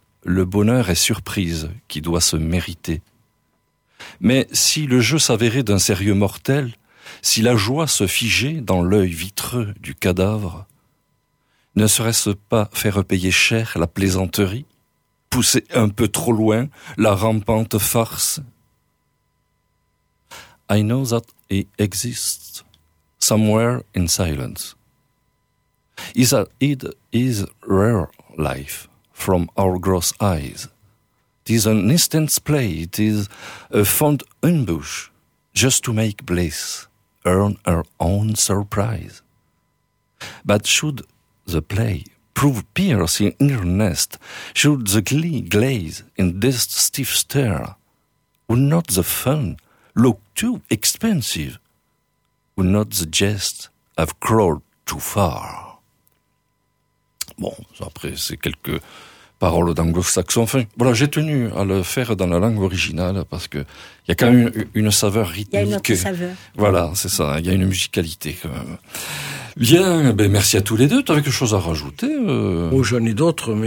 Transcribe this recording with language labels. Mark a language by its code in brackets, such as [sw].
[fr] Le bonheur est surprise qui doit se mériter. Mais si le jeu s'avérait d'un sérieux mortel, si la joie se figeait dans l'œil vitreux du cadavre, ne serait-ce pas faire payer cher la plaisanterie, pousser un peu trop loin la rampante farce? [en] I know that it exists somewhere in silence. Is that it is rare life from our gross eyes. It is an instant's play, it is a fond ambush, just to make bliss, earn her own surprise. But should the play prove piercing in her nest, should the glee glaze in this stiff stare, would not the fun look too expensive? Would not the jest have crawled too far? [fr] Bon, après, c'est quelques paroles d'anglo-saxon. Enfin, voilà, j'ai tenu à le faire dans la langue originale parce que il y a quand même une saveur rythmique. Il y a une autre saveur. Voilà, c'est ça. Il y a une musicalité, quand même. Bien, ben, merci à tous les deux. Tu as quelque chose à rajouter? Oh, j'en ai d'autres, mais.